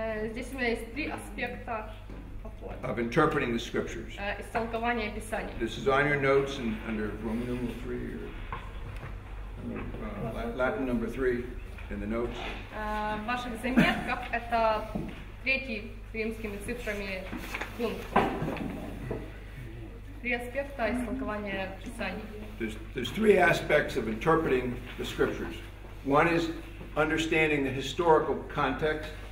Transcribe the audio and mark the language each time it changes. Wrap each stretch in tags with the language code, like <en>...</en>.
<ru>Здесь у меня есть три аспекта</ru> <en>of interpreting the scriptures.</en> <ru>Истолкование Писания.</ru> <en>This is on your notes and under Roman numeral 3 or Latin number 3 in the notes.</en> <ru>В ваших заметках это третий римскими цифрами пункт. Три аспекта истолкования Писания.</ru> <en>There's three aspects of interpreting the scriptures. One is understanding the historical context.</en>